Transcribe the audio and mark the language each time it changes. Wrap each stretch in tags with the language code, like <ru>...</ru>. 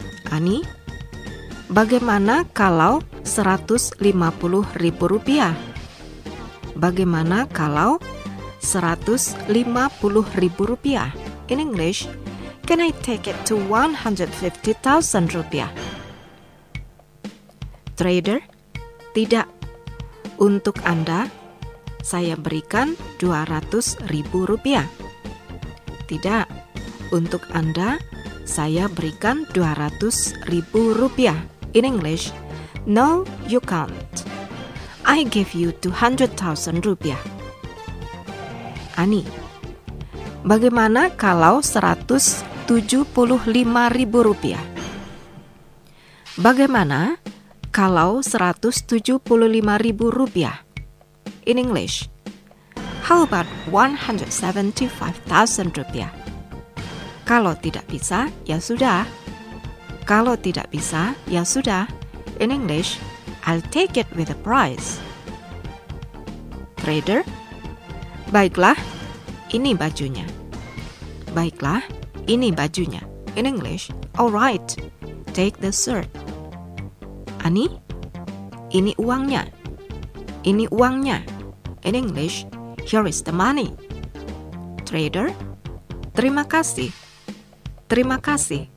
<id>Ani: Bagaimana kalau Rp150.000? Bagaimana kalau Rp150.000?</id> <en>In English: Can I take it to Rp150.000?</en> <id>Trader: Tidak. Untuk Anda, saya berikan Rp200.000. Tidak. Untuk Anda, saya berikan Rp200.000.</id> <en>In English: No, you can't. I give you Rp200.000.</en> <id>Ani: Bagaimana kalau Rp175.000? Bagaimana kalau Rp175.000?</id> <en>In English: How about Rp175.000?</en> <id>Kalau tidak bisa, ya sudah. Kalau tidak bisa, ya sudah.</id> <en>In English: I'll take it with the price.</en> <id>Trader: Baiklah, ini bajunya. Baiklah, ini bajunya.</id> <en>In English: All right, take the shirt. Ani:</en> <id>Ini uangnya. Ini uangnya.</id> <en>In English: Here is the money.</en> <id>Trader: Terima kasih. Terima kasih.</id>